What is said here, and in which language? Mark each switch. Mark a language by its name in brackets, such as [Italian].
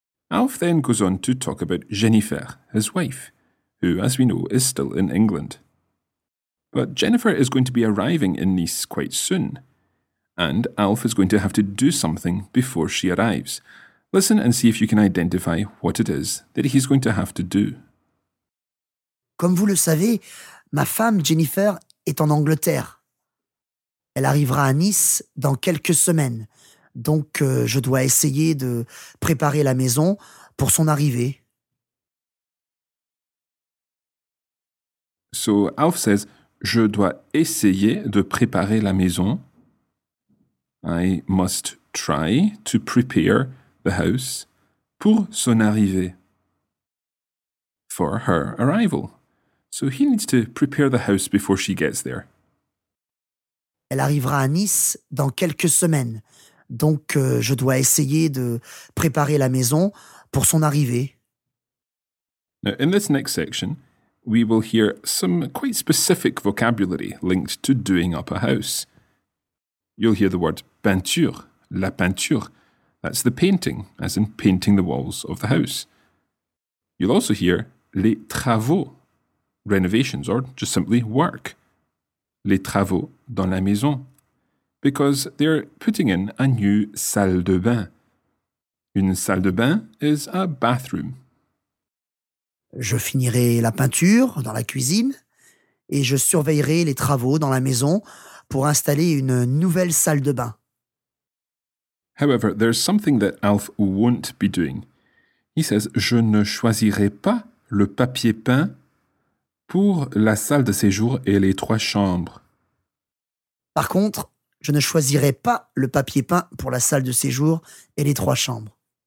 [English] Alf then goes on to talk about Jennifer, his wife, who, as we know, is still in England. But Jennifer is going to be arriving in Nice quite soon, and Alf is going to have to do something before she arrives. Listen and see if you can identify what it is that he's going to have to do. [French] Comme vous le savez, ma femme Jennifer est en Angleterre. Elle arrivera à Nice dans quelques semaines. Donc, je dois essayer de préparer la maison pour son arrivée. [English] So, Alf says, [French] je dois essayer de préparer la maison. [English] I must try to prepare the house [French] pour son arrivée. [English] For her arrival. So, he needs to prepare the house before she gets there. [French] Elle arrivera à Nice dans quelques semaines. Donc, je dois essayer de préparer la maison pour son arrivée. [English] Now, in this next section, we will hear some quite specific vocabulary linked to doing up a house. You'll hear the word peinture, la peinture. That's the painting, as in painting the walls of the house. You'll also hear les travaux, renovations, or just simply work. [French] Les travaux dans la maison. [English] Because they're putting in a new salle de bain. Une salle de bain is a bathroom. [French] Je finirai la peinture dans la cuisine et je surveillerai les travaux dans la maison pour installer une nouvelle salle de bain. [English] However, there's something that Alf won't be doing. He says, [French] je ne choisirai pas le papier peint pour la salle de séjour et les trois chambres. Par contre, je ne choisirai pas le papier peint pour la salle de séjour et les trois chambres.